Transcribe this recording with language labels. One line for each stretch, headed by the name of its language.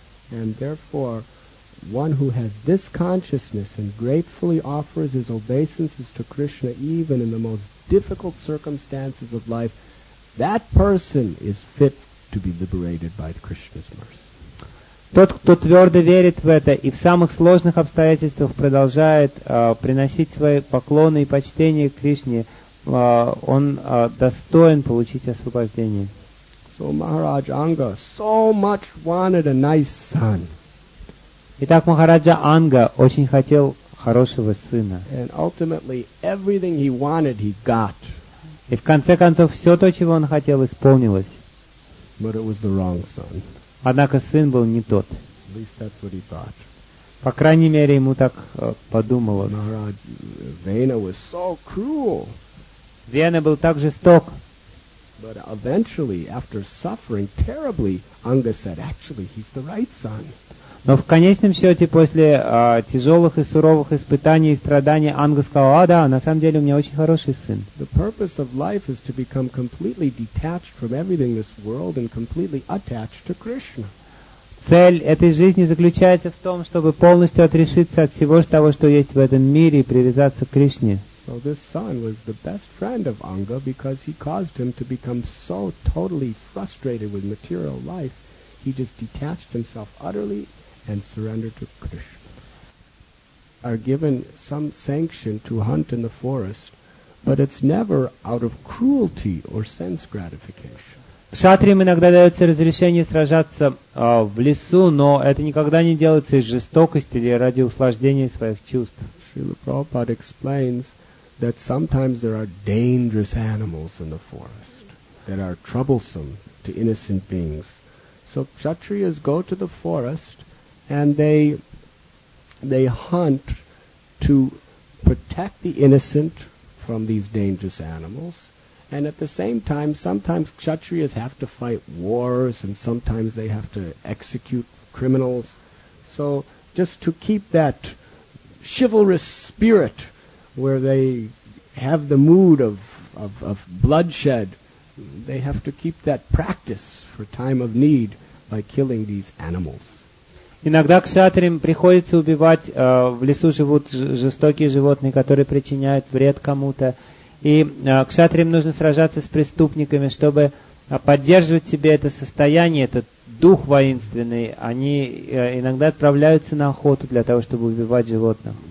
English: And therefore, one who has this consciousness and gratefully offers his obeisances to Krishna even in the most difficult circumstances of life, that person is fit to be liberated by Krishna's mercy.
Russian: Тот, кто твердо верит в это и в самых сложных обстоятельствах продолжает приносить свои поклоны и почтение Кришне, он достоин получить освобождение.
English: So Maharaj Anga so much wanted a nice son.
Russian: Итак, Махараджа Анга очень хотел хорошего сына.
English: And ultimately everything he wanted he got.
Russian: И в конце концов все то, чего он хотел, исполнилось.
English: But it was the wrong son.
Russian: Однако сын был не тот.
English: At least that's what he thought.
Russian: По крайней мере, ему так подумалось.
English: Maharaj Vena was so cruel.
Russian: Вена был так жесток.
English: But eventually, after suffering terribly, Anga said, actually, he's the right son.
Russian: Но в конечном счете, после тяжелых и суровых испытаний и страданий, Анга сказал, а да, на самом деле у меня очень хороший сын.
English: The purpose of life is to become completely detached from everything in this world and completely attached to Krishna.
Russian: Цель этой жизни заключается в том, чтобы полностью отрешиться от всего того, что есть в этом мире, и привязаться к Кришне.
English: So this son was the best friend of Anga because he caused him to become so totally frustrated with material life, he just detached himself utterly and surrendered to Krishna. Are given some sanction to hunt in the forest, but it's never out of cruelty or sense gratification.
Russian: Кшатриям иногда дается разрешение сражаться в лесу, но это никогда не делается из жестокости или ради услаждения своих чувств.
English: Шрила Прабхупада explains that sometimes there are dangerous animals in the forest that are troublesome to innocent beings. So kshatriyas go to the forest and they hunt to protect the innocent from these dangerous animals. And at the same time, sometimes kshatriyas have to fight wars and sometimes they have to execute criminals. So just to keep that chivalrous spirit where they have the mood of bloodshed, they have to keep that practice for time of need by killing these animals.
Russian: Иногда кшатриям приходится убивать, в лесу живут жестокие животные, которые причиняют вред кому-то. И кшатриям нужно сражаться с преступниками, чтобы поддерживать себе это состояние, этот дух воинственный. Они иногда отправляются на охоту для того, чтобы убивать животных.